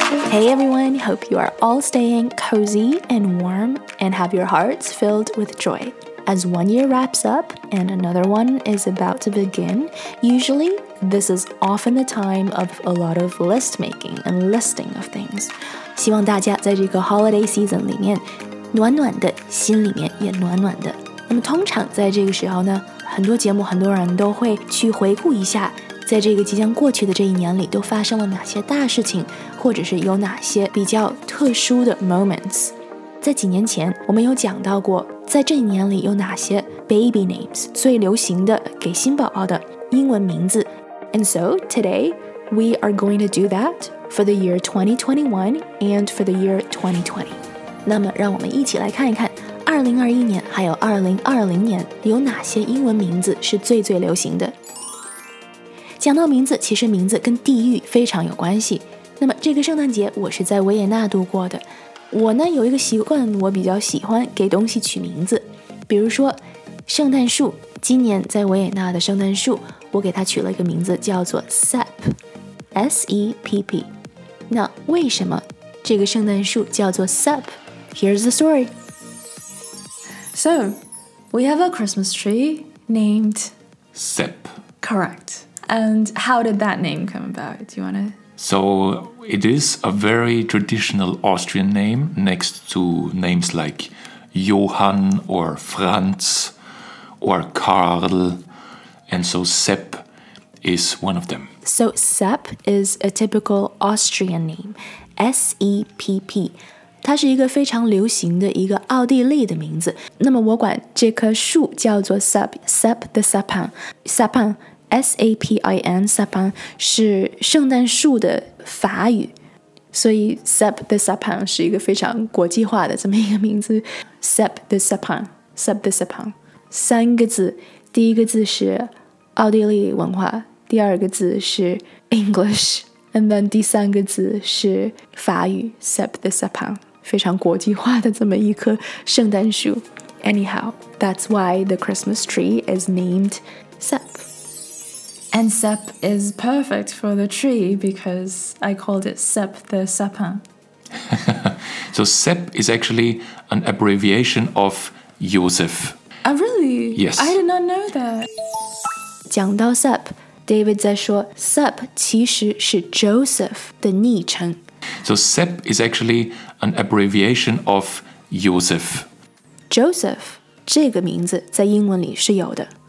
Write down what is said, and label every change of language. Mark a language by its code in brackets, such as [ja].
[en] Hey everyone, hope you are all staying cozy and warm and have your hearts filled with joy. As one year wraps up and another one is about to begin, usually this is often the time of a lot of list making and listing of things. [zh] 希望大家在这个 [en] holiday season [zh] 里面暖暖的，心里面也暖暖的。那么通常在这个时候呢，很多节目很多人都会去回顾一下，在这个即将过去的这一年里都发生了哪些大事情，或者是有哪些比较特殊的 moments。在几年前我们有讲到过，在这一年里有哪些 [en] baby names [zh] 最流行的给新宝宝的英文名字。 [en] And so today we are going to do that for the year 2021 and for the year 2020。 [zh] 那么让我们一起来看一看2021年还有2020年有哪些英文名字是最最流行的。讲到名字，其实名字跟地域非常有关系。那么这个圣诞节我是在维也纳度过的，我呢有一个习惯，我比较喜欢给东西取名字。比如说圣诞树，今年在维也纳的圣诞树我给它取了一个名字叫做 SEPP S-E-P-P。那为什么这个圣诞树叫做 SEPP? [en] Here's the story。 So, we have a Christmas tree named SEPP. Correct. And how did that name come about? Do you want to? So, it is a very traditional Austrian name next to names like Johann or Franz or Karl. And so SEPP is one of them. So, SEPP is a typical Austrian name. S-E-P-P. [zh] 它是一个非常流行的一个奥地利的名字。那么我管这棵树叫做 SEPP, SEPP the Sapin. Sapin, S-A-P-I-N, Sapin, 是圣诞树的法语。所以 SEPP the Sapin 是一个非常国际化的这么一个名字。 [en] SEPP the Sapin, SEPP the Sapin. [zh] 三个字，第一个字是奥地利文化，第二个字是 English. [en] And then [zh] 第三个字是法语 SEPP the Sapin， 非常国际化的这么一棵圣诞树。 [en] Anyhow, that's why the Christmas tree is named SEPP. And SEPP is perfect for the tree because I called it SEPP the Sapin. So SEPP is actually an abbreviation of Josef. Oh, really? Yes. I did not know that. [zh] 讲到 SEPPDavid 在说 SEPP 其实是 Joseph 的昵称。 [en] So SEPP is actually an abbreviation of Joseph. [zh] Joseph 这个名字在英文里是有的。